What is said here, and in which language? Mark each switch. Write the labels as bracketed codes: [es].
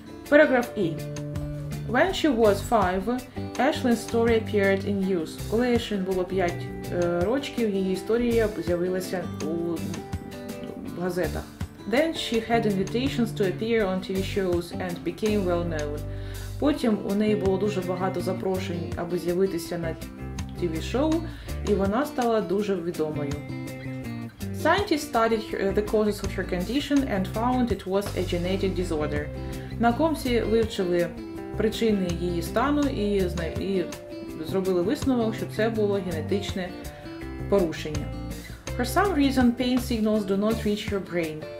[en] Paragraph E. When she was 5, Ashlyn's story appeared in news. [uk] Коли Ashlyn було 5 років, її історія з'явилася у газетах. [en] Then she had invitations to appear on TV shows and became well known. [uk] Потім у неї було дуже багато запрошень, аби з'явитися на TV-шоу, і вона стала дуже відомою. [en] Scientists studied the causes of her condition and found it was a genetic disorder. [uk] Науковці вивчили причини її стану і зробили висновок, що це було генетичне порушення. [en] For some reason, pain signals do not reach her brain.